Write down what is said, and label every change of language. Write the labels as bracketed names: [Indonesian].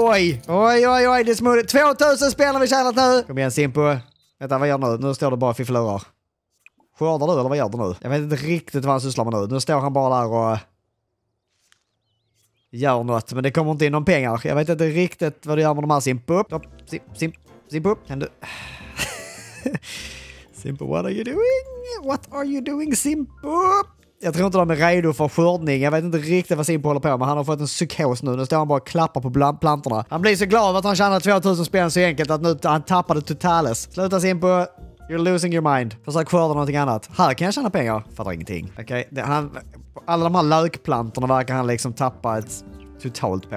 [Swedish] Oj. Det är smooth. 2000 spänn har vi tjänat nu. Kom igen Simpo. Vänta, vad gör du nu? Nu står du bara för förlorar. Skördar du eller vad gör du nu? Jag vet inte riktigt vad han sysslar med nu. Nu står han bara där och... gör något, men det kommer inte in någon pengar. Jag vet inte riktigt vad du gör med de här Simpo. Simpo, kan du... [English] Simpo, what are you doing? What are you doing, Simpo? [Swedish] Jag tror inte de är redo för skördning. Jag vet inte riktigt vad Simpo håller på med. Han har fått en psykos nu. Nu står han bara och klappar på plantorna. Han blir så glad att han tjänar 2000 spänn så enkelt att nu han tappade totalis. Sluta, Simpo. [English] You're losing your mind. [Swedish] Försök skörda någonting annat. Här kan jag tjäna pengar. Fattar ingenting. Okej, alla de här lökplantorna verkar han liksom tappa ett totalt på.